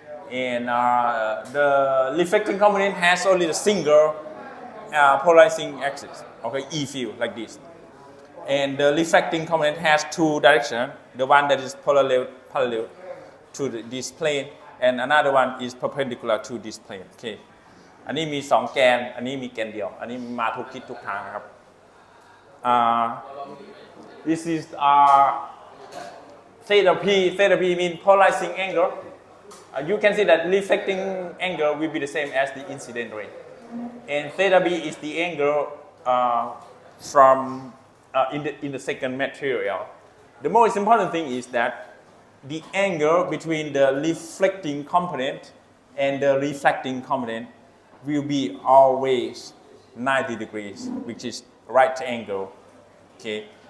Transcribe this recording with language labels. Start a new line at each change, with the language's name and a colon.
English: And the reflecting component has only a single polarizing axis, okay, E field, like this. And the reflecting component has two directions, the one that is parallel to this plane, and another one is perpendicular to this plane, okay?
Thai: อันนี้มี2แกนอันนี้มีแกนเดียวอันนี้มาทุกทิศทุกทางครับ
English: this is theta p mean polarizing angle. You can see that reflecting angle will be the same as the incident ray, and theta b is the angle from in the second material. The most important thing is that the angle between the reflecting component and the refracting component will be always 90 degrees, which is right angle, okay?